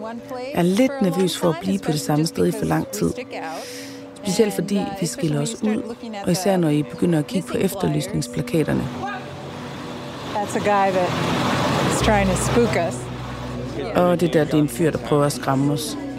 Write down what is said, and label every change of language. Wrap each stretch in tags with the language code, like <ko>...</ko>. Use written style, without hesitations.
<da>Jeg er lidt nervøs for at blive på det samme sted for lang tid. Specielt fordi vi skiller os ud, og især når I begynder at kigge på efterlysningsplakaterne.</da> <en>That's a guy that is trying to spook us.</en> <da>Og det der, det er en fyr, der prøver at skræmme os.</da>